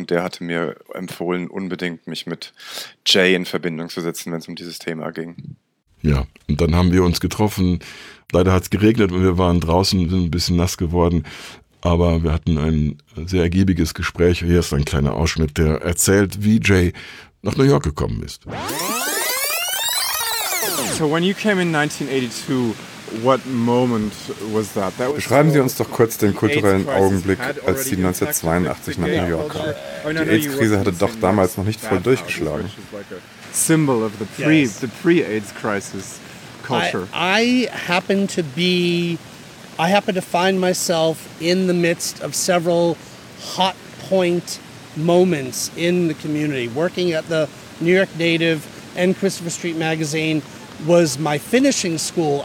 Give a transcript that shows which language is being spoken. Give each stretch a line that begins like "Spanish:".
German: Und der hatte mir empfohlen, unbedingt mich mit Jay in Verbindung zu setzen, wenn es um dieses Thema ging. Ja, und dann haben wir uns getroffen. Leider hat es geregnet und wir waren draußen, sind ein bisschen nass geworden. Aber wir hatten ein sehr ergiebiges Gespräch. Hier ist ein kleiner Ausschnitt, der erzählt, wie Jay nach New York gekommen ist.
English: So when you came in 1982, what moment was that? That was
German: Beschreiben Sie uns doch kurz den kulturellen Augenblick, als Sie 1982 nach New York kamen. Die AIDS-Krise hatte doch damals noch nicht voll durchgeschlagen.
English: Symbol of the pre, yes. The pre-AIDS-Crisis culture. I happen to find myself in the midst of several hot point moments in the community. Working at the New York Native and Christopher Street Magazine was my finishing school.